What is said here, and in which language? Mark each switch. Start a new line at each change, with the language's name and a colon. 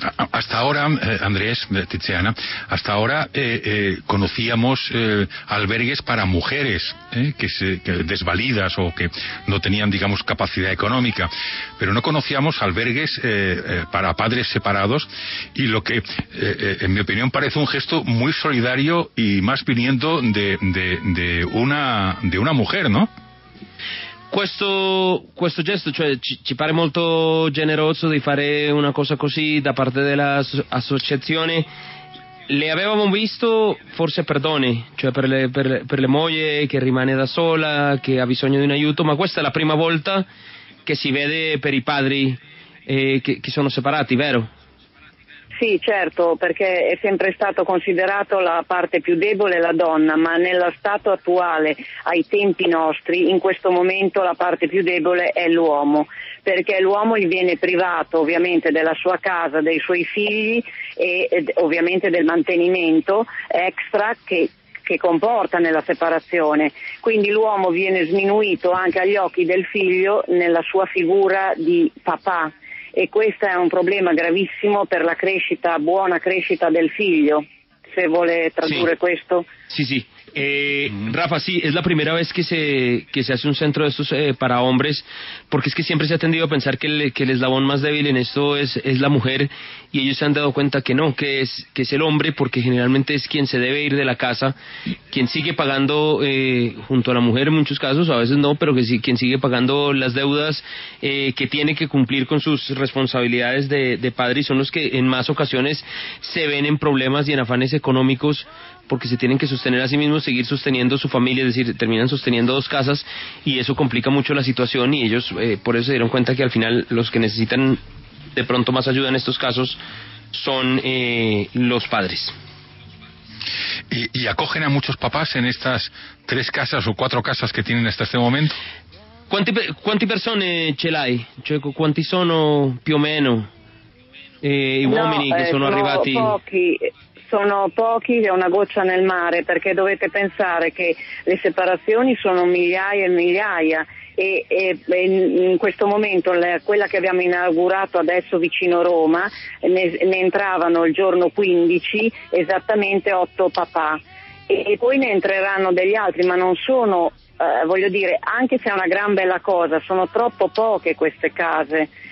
Spanish: Hasta ahora, Andrés, Tiziana, hasta ahora conocíamos albergues para mujeres que desvalidas o que no tenían, digamos, capacidad económica, pero no conocíamos albergues para padres separados, y lo que, en mi opinión, parece un gesto muy solidario y más viniendo de una mujer, ¿no?
Italian: Questo gesto, cioè, ci pare molto generoso di fare una cosa così da parte dell'associazione. Le avevamo visto forse per donne, cioè per le moglie che rimane da sola, che ha bisogno di un aiuto, ma questa è la prima volta che si vede per i padri che sono separati, vero? Sì, certo, perché è sempre stato considerato la parte più debole la donna, ma nello stato attuale, ai tempi nostri, in questo momento la parte più debole è l'uomo, perché l'uomo gli viene privato ovviamente della sua casa, dei suoi figli e ovviamente del mantenimento extra che comporta nella separazione. Quindi l'uomo viene sminuito anche agli occhi del figlio nella sua figura di papà. E questo è un problema gravissimo per la crescita, buona crescita del figlio, se vuole tradurre sì. Questo. Sì, sì.
Spanish: Rafa, sí, es la primera vez que se hace un centro de estos para hombres, porque es que siempre se ha tendido a pensar que el eslabón más débil en esto es la mujer, y ellos se han dado cuenta que no, que es el hombre, porque generalmente es quien se debe ir de la casa, quien sigue pagando junto a la mujer en muchos casos, a veces no, pero que sí, quien sigue pagando las deudas que tiene que cumplir con sus responsabilidades de padre, y son los que en más ocasiones se ven en problemas y en afanes económicos, porque se tienen que sostener a sí mismos, seguir sosteniendo su familia, es decir, terminan sosteniendo dos casas, y eso complica mucho la situación, y ellos por eso se dieron cuenta que al final los que necesitan de pronto más ayuda en estos casos son los padres. ¿Y acogen a muchos papás en estas tres casas o cuatro casas que tienen hasta este momento? ¿Cuántas personas
Italian: ce l'hai?
Spanish: ¿Cuántos son
Italian: più o meno i uomini che sono arrivati? Sono pochi, è una goccia nel mare, perché dovete pensare che le separazioni sono migliaia e migliaia, e in questo momento quella che abbiamo inaugurato adesso vicino Roma, ne entravano il giorno 15 esattamente 8 papà, e poi ne entreranno degli altri, ma non sono, voglio dire, anche se è una gran bella cosa, sono troppo poche queste case.